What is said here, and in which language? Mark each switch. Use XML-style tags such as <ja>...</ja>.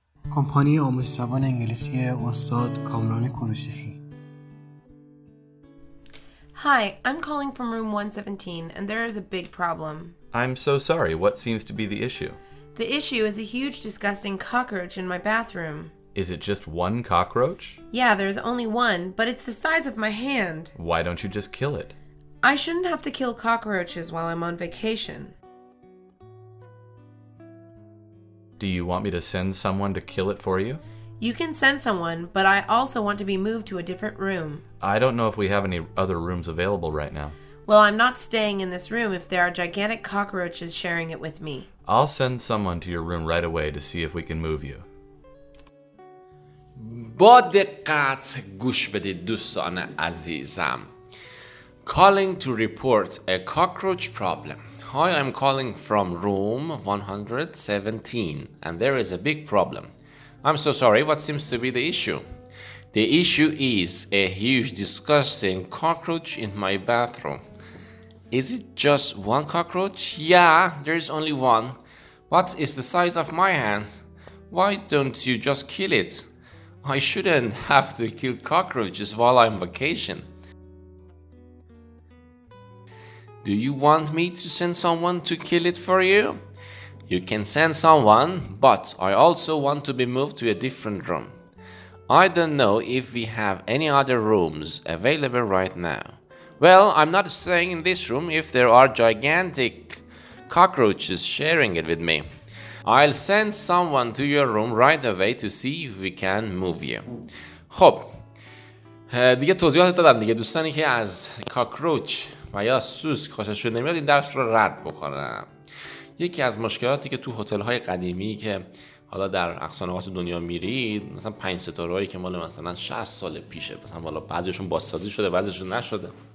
<fa>کمپانی آموزش زبان انگلیسی استاد کامران کوروشی.</fa> <en>Hi, I'm calling from room 117 and there is a big problem. I'm so sorry. What seems to be the issue? The issue is a huge disgusting cockroach in my bathroom. Is it just one cockroach? Yeah, there's only one, but it's the size of my hand. Why don't you just kill it? I shouldn't have to kill cockroaches while I'm on vacation. Do you want me to send someone to kill it for you? You can send someone, but I also want to be moved to a different room. I don't know if we have any other rooms available right now. Well, I'm not staying in this room if there are gigantic cockroaches sharing it with me. I'll send someone to your room right away to see if we can move you.</en> <fa>با دقت گوش بدید دوستان عزیزم.</fa> <en>Calling to report a cockroach problem. Hi, I'm calling from room 117 and there is a big problem. I'm so sorry, what seems to be the issue? The issue is a huge disgusting cockroach in my bathroom. Is it just one cockroach? Yeah, there is only one. What is the size of my hand? Why don't you just kill it? I shouldn't have to kill cockroaches while I'm vacation. Do you want me to send someone to kill it for you? You can send someone, but I also want to be moved to a different room. I don't know if we have any other rooms available right now. Well, I'm not staying in this room if there are gigantic cockroaches sharing it with me. I'll send someone to your room right away to see if we can move you.</en> <fa>خب دیگه توضیحات دادم دیگه دوستانی که از کاکروچ و یا سوسک خوششون نمیاد این درس رو رد بکنن. یکی از مشکلاتی که تو هتل‌های قدیمی که حالا در اقصی نقاط دنیا میرید، مثلا 5 ستاره‌ای که مال مثلا 60 سال پیشه، مثلا والا بعضیشون بازسازی شده، بعضیشون نشده.</fa>